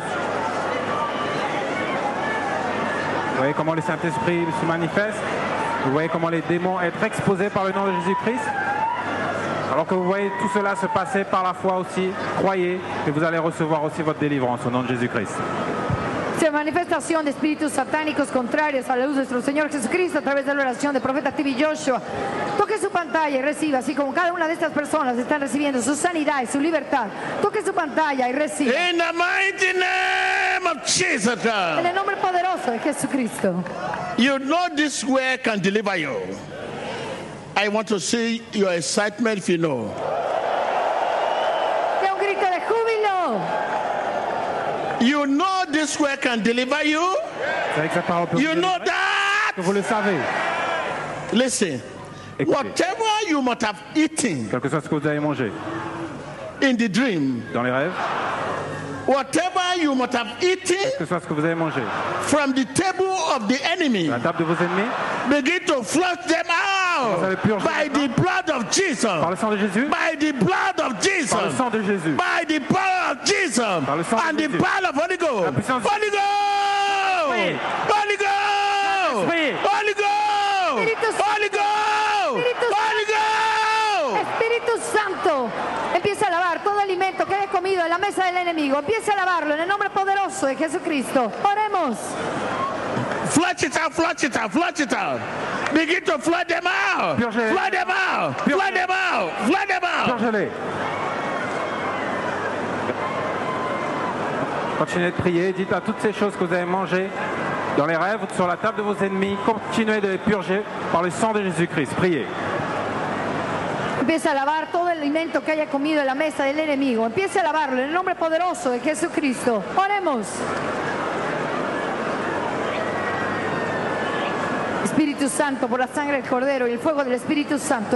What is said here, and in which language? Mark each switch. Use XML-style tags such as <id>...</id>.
<fr>Vous voyez comment le Saint-Esprit se manifeste. Vous voyez comment les démons sont exposés par le nom de Jésus-Christ. Alors que vous voyez tout cela se passer par la foi aussi, croyez que vous allez recevoir aussi votre délivrance au nom de Jésus-Christ.</fr> <es>De manifestación de espíritus satánicos contrarios a la luz de nuestro Señor Jesucristo a través de la oración del profeta TV Joshua. Toque su pantalla y reciba, así como cada una de estas personas están recibiendo su sanidad y su libertad. Toque su pantalla y reciba.</es> <en>In the mighty name of Jesus Christ.</en> <es>En el nombre poderoso de Jesucristo.</es> <en>You know this word can deliver you. I want to see your excitement if you know.</en> <es>De un grito de júbilo.</es> <en>You know this word can deliver you. You know that.</en> <fr>Que vous le savez.</fr> <en>Listen.</en> <fr>Écoutez.</fr> <en>Whatever you might have eaten.</en> <fr>Quel que soit ce que vous avez mangé.</fr> <en>In the dream.</en> <fr>Dans les rêves.</fr> <en>Whatever you might have eaten.</en> <fr>Quel que soit ce que vous avez mangé.</fr> <en>From the table of the enemy.</en> <fr>La table de vos ennemis.</fr> <en>Begin to flush them out.</en> <fr>Vous avez purgé</fr> <en>by the blood of Jesus.</en> <fr>Par le sang de Jésus.</fr> <en>By the blood of Jesus.</en> <fr>Par le sang de Jésus.</fr> <en>By the power of Jesus.</en> <fr>Par le sang de</fr> <en>and</en> <fr>Jésus.</fr> <en>The power of Holy Ghost.</en> <fr>La puissance</fr> <en>Holy Ghost. Holy Ghost. Holy Ghost. Holy Ghost. Holy Ghost.</en> <es>Espíritu Santo. Empieza a lavar todo alimento que haya comido en la mesa del enemigo. Empieza a lavarlo en el nombre poderoso de Jesucristo. Oremos.</es> <en>Flush it out, flush it out, flush it out. Begin to flood them out. Flood them out. Flood them out. Flood them out.</en> <fr>Continuez de prier. Dites à toutes ces choses que vous avez mangées dans les rêves, sur la table de vos ennemis, continuez de les purger par le sang de Jésus-Christ. Priez.</fr> <es>Empieza a lavar todo el alimento que haya comido en la mesa del enemigo. Empieza a lavarlo en el nombre poderoso de Jesucristo. Oremos. Espíritu Santo, por la sangre del Cordero y el fuego del Espíritu Santo.</es>